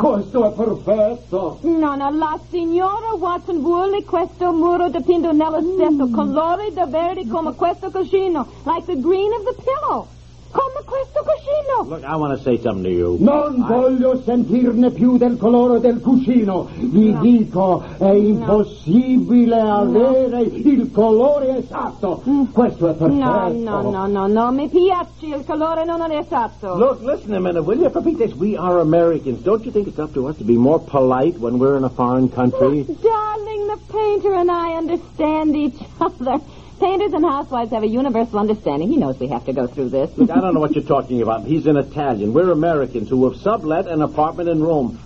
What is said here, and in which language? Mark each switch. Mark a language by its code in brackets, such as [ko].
[it] Questo è perfetto. No, la signora Watson vuole questo muro dipinto nello stesso colore da verde come questo cuscino, [en] like the green of the pillow. [it] Come questo cuscino. [en] Look, I want to say something to you. [it] Voglio sentirne più del colore del cuscino. Vi dico, è impossibile avere il colore esatto. Questo è perfetto. No, mi piace il colore, non è esatto. [en] Look, listen a minute, will you? For Pete's, we are Americans. Don't you think it's up to us to be more polite when we're in a foreign country? Look, darling, the painter and I understand each other. Painters and housewives have a universal understanding. He knows we have to go through this. Look, I don't know what you're talking about. He's an Italian. We're Americans who have sublet an apartment in Rome.